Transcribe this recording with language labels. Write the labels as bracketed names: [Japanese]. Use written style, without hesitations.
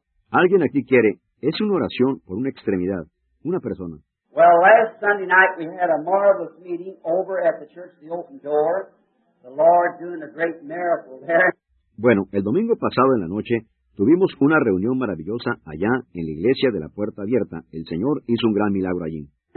[Spanish] Alguien aquí quiere, es una oración por una extremidad, una persona. [English] Well, last Sunday night we had a marvelous meeting over at the church, the open door, the Lord doing a great miracle there. [Spanish] Bueno, el domingo pasado en la noche tuvimos una reunión maravillosa allá en la iglesia de la puerta abierta. El Señor hizo un gran milagro allí.